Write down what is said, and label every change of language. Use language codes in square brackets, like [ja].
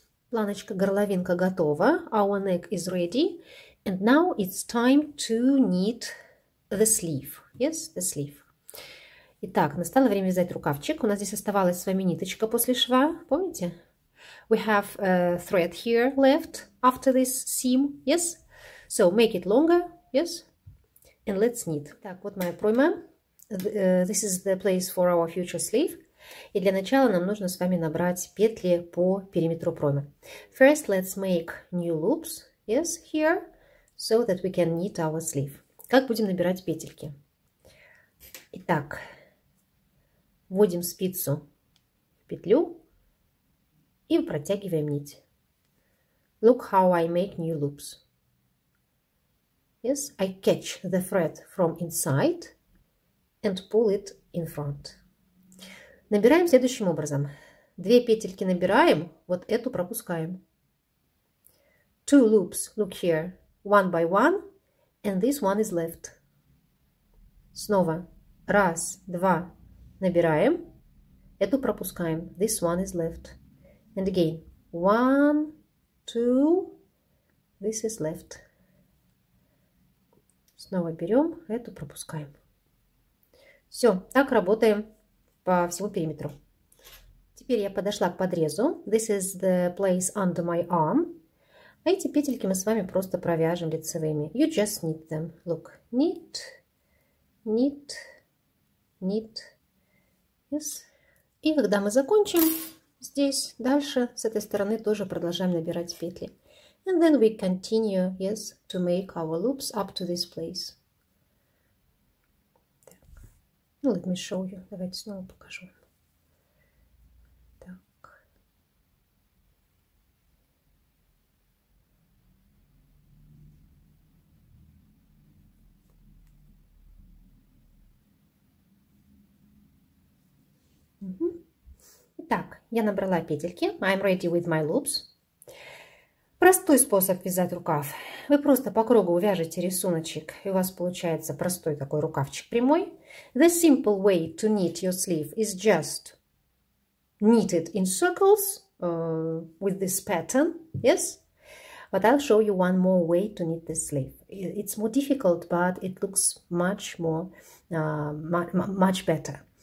[ru] Планочка, горловинка готова. [en] Our neck is ready. And now it's time to knit the sleeve. Yes, the sleeve. [ru] Итак, настало время взять рукавчик. У нас здесь оставалась с вами ниточка после шва. Помните? [en] We have a thread here left after this seam. Yes? So make it longer. Yes? And let's knit. [ru] Так, вот моя пройма. [en] This is the place for our future sleeve. [ru] И для начала нам нужно с вами набрать петли по периметру проймы. [en] First, let's make new loops, yes, here, so that we can knit our sleeve. [ru] Как будем набирать петельки? Итак, вводим спицу в петлю и протягиваем нить. [en] Look how I make new loops. Yes, I catch the thread from inside and pull it in front. [ru] Набираем следующим образом. Две петельки набираем, вот эту пропускаем. [en] Two loops, look here, one by one, and this one is left. [ru] Снова. Раз, два, набираем, эту пропускаем. [en] This one is left. And again. One, two, this is left. [ru] Снова берем, эту пропускаем. Все, так работаем. По всему периметру. Теперь я подошла к подрезу. [en] This is the place under my arm. [ru] А эти петельки мы с вами просто провяжем лицевыми. [en] You just knit them. Look. Knit. Knit. Knit. Yes. [ru] И когда мы закончим здесь, дальше с этой стороны тоже продолжаем набирать петли. [en] And then we continue, yes, to make our loops up to this place. [ru] Ну, [en] let me show you. [ru] Давайте снова покажу. Так. Итак, я набрала петельки. [en] I'm ready with my loops. [ru] Простой способ вязать рукав. Вы просто по кругу вяжете рисуночек, и у вас получается простой такой рукавчик прямой. [en] The simple way to knit your sleeve is just knit it in circles with this pattern, yes? But I'll show you one more way to knit this sleeve. It's more difficult, but it looks much more, much better.